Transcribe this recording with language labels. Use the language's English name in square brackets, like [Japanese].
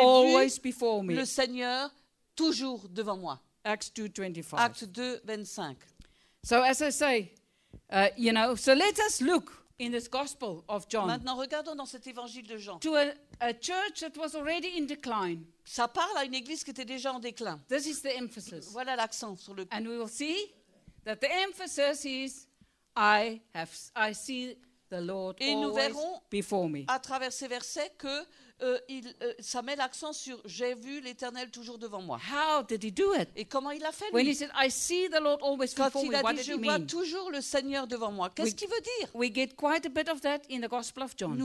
[English] always [French] vu [English] before me. [French] Le Seigneur toujours devant moi. [English] Acts 2:25. So as I say, you know, so let us look in this gospel of John. [French] Maintenant regardons dans cet évangile de Jean. [English] To a church that was already in decline. [French] Ça parle à une église qui était déjà en déclin. [English] This is the emphasis. [French] Voilà l'accent sur le [English] And we will see that the emphasis is I see the Lord [French] et nous verrons [English] before me. [French] À travers ces versets que ça met l'accent sur j'ai vu l'Éternel toujours devant moi. [English] How did he do it? [French] Et comment il a fait? [English] When he said I see the Lord always [French] Quand [English] before me. [French] Quand il a [English] me, [French] dit je [English] mean? [French] Vois toujours le Seigneur devant moi. Qu'est-ce qu'il veut dire? [English] We get quite a bit of that in the Gospel of John.